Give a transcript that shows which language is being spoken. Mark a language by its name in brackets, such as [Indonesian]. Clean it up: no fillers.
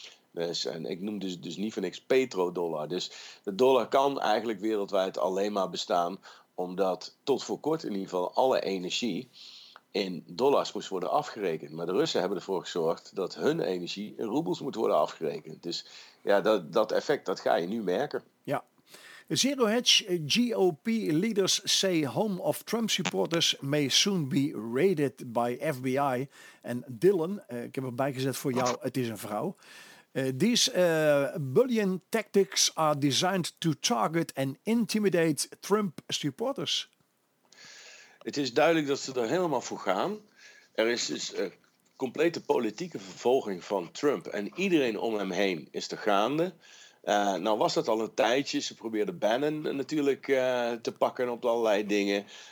[Dutch] Dus, en ik noem dus niet voor niks petrodollar. Dus de dollar kan eigenlijk wereldwijd alleen maar bestaan omdat tot voor kort in ieder geval alle energie in dollars moest worden afgerekend. Maar de Russen hebben ervoor gezorgd dat hun energie in roebels moet worden afgerekend. Dus ja, dat effect, dat ga je nu merken. Ja. [English] Zero Hedge, GOP leaders say home of Trump supporters may soon be raided by FBI. [Dutch] En Dylan, ik heb erbij gezet voor jou, het is een vrouw. [English] These bullying tactics are designed to target and intimidate Trump supporters. [Dutch] Het is duidelijk dat ze er helemaal voor gaan. Er is dus een complete politieke vervolging van Trump. En iedereen om hem heen is er gaande. Nou was dat al een tijdje. Ze probeerden Bannon natuurlijk te pakken op allerlei dingen.